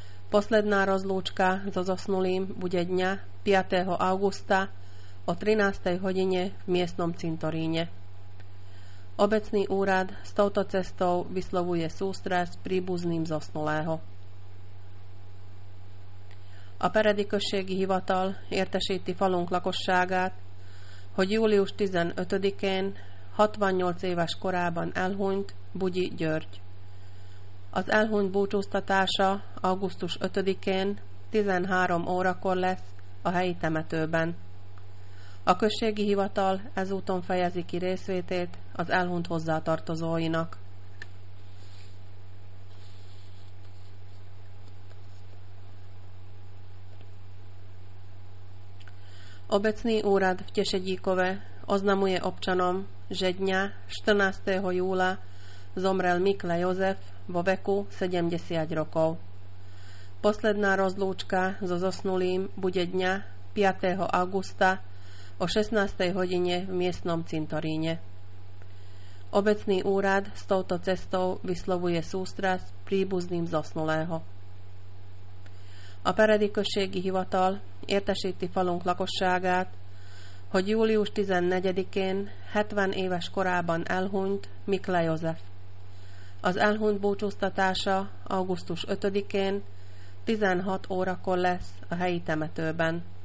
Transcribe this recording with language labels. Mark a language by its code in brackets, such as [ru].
[sk] Posledná rozlúčka so zosnulým bude dňa 5. augusta o 13. hodine v miestnom cintoríne. Obecný úrad s touto cestou vyslovuje sústrasť príbuzným zosnulého. [hu] A peredikösségi hivatal értesíti falunk lakosságát, hogy július 15-én 68 éves korában elhunyt Bugyi György. Az elhunyt búcsúztatása augusztus 5-én 13 órakor lesz a helyi temetőben. A községi hivatal ezúton fejezi ki részvétét az elhunyt hozzátartozóinak. [sk] Obecný úrad v Tešedíkove oznamuje občanom, že dňa 14. júla zomrel Mikla Jozef vo veku 70 rokov. Posledná rozlúčka so zosnulým bude dňa 5. augusta o 16. hodine v miestnom cintoríne. Obecný úrad s touto cestou vyslovuje sústrasť príbuzným zosnulého. [hu] A peredikösségi hivatal értesíti falunk lakosságát, hogy július 14-én 70 éves korában elhunyt Mikla Jozef. Az elhunyt búcsúztatása augusztus 5-én 16 órakor lesz a helyi temetőben.